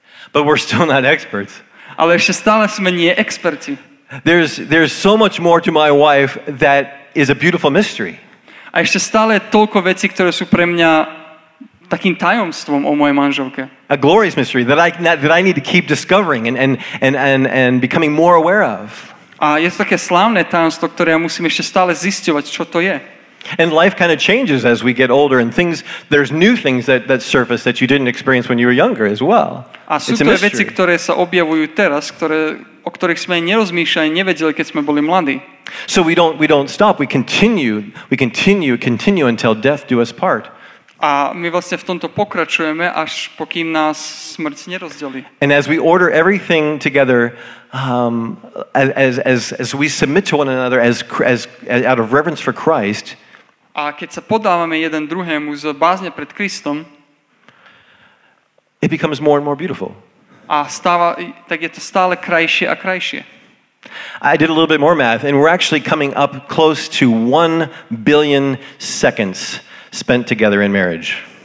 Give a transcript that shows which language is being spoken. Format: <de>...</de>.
<en>But we're still not experts.</en> <sk>Ale ešte stále sme nie experti.</sk> <en>There's so much more to my wife that is a beautiful mystery.</en> <sk>A ešte stále toľko vecí, ktoré sú pre mňa takým tajomstvom o mojej manželke.</sk> <en>A glorious mystery that I need to keep discovering and becoming more aware of.</en> <sk>A je to také slávne tajomstvo, ktoré ja musím ešte stále zisťovať, čo to je.</sk> <en>And life kind of changes as we get older and there's new things that surface that you didn't experience when you were younger as well.</en> <sk>A sú to veci, ktoré sa objavujú teraz, o ktorých sme nerozmýšľali, nevedeli, keď sme boli mladí.</sk> <en>So we don't stop, we continue until death do us part.</en> <sk>A my vlastne v tomto pokračujeme, až pokým nás smrť nerozdelí.</sk> <en>And as we order everything together, as we submit to one another as out of reverence for Christ.</en> <sk>A keď sa podávame jeden druhému z bázne pred Kristom,</sk> <en>it becomes more and more beautiful.</en> <sk>A stáva, tak je to stále krajšie a krajšie.</sk> <en>I did a little bit more math and we're actually coming up close to 1 billion seconds spent together in marriage.</en>